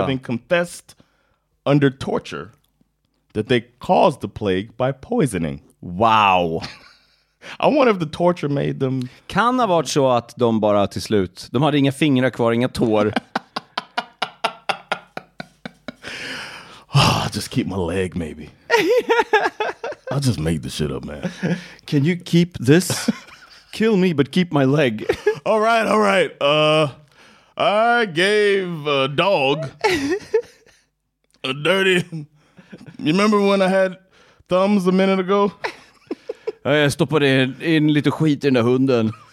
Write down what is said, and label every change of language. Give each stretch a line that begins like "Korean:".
English: having confessed under torture that they caused the plague by poisoning. Wow. I wonder if the torture made them...
Swedish: Kan det ha varit så att de bara till slut... De hade inga fingrar kvar, inga tår.
English: Oh, I'll just keep my leg, maybe. I'll just make this shit up, man. Can you keep this? Kill me, but keep my leg. All right, all right. I gave a dog a dirty... You remember when I had thumbs a minute ago?
Swedish: Jag stoppade in lite skit i den där hunden.